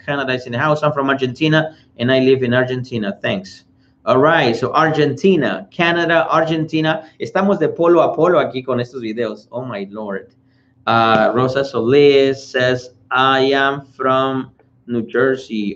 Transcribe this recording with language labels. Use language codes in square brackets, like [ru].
[en] Canada is in the house. I'm from Argentina, and I live in Argentina. Thanks. All right. So Argentina, Canada, Argentina. [es] Estamos de polo a polo aquí con estos videos. [en] Oh, my Lord. Rosa Solis says, I am from New Jersey.